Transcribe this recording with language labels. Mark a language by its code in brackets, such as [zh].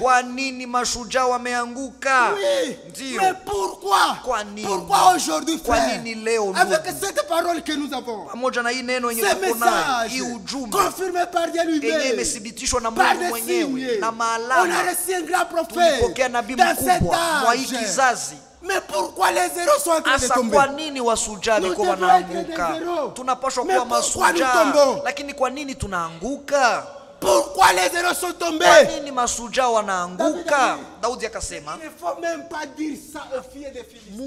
[sw] Kwa nini mashujaa wameanguka? Ndio. [fr] Mais pourquoi? [sw] Kwa nini? [fr] Pourquoi aujourd'hui, frère? [sw] Kwa nini leo? [fr] Avec cette parole que nous avons. [sw] Pamoja na hii neno yenye tuko nayo, hii ujumbe. [fr] Confirmé par Dieu lui-même. [sw] Yenye imethibitishwa na Mungu mwenyewe na maalama. [fr] On a reçu un grand prophète. [sw] Tulipokea nabii mkubwa kwa hii kizazi. [fr] Mais pourquoi les héros sont en train de tomber? [sw] Kwa nini washujaa wako wanaanguka? Tunapaswa kuwa mashujaa. Lakini kwa nini tunaanguka? [fr] Pourquoi les héros sont tombés? [sw] Kwa nini mashujaa wanaanguka? Daudi akasema. [fr] Il ne faut même pas dire ça aux filles des Philistins.